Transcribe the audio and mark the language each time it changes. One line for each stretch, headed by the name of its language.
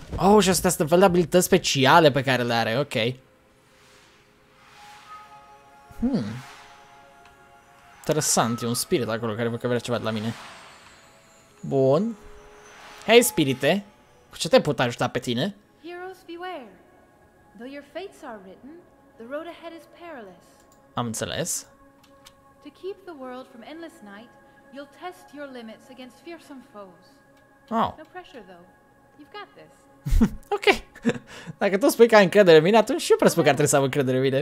Romanian: Oh, și astea sunt fel de abilități speciale pe care le are, ok. Interesant, e un spirit acolo care vă vrea ceva de la mine. Bun. Hei, spirite, cu ce te pot ajuta pe tine?
English: Heroes, beware. Though your fates are written, the road ahead is perilous.
Romanian: Am înțeles.
English: To keep the world from endless night, you'll test your limits against fearsome foes. Oh. No pressure, though. You've got this. Ok.
Romanian: Dacă tu spui că ai încredere în mine, atunci și eu presupun că ar trebui să am încredere în mine.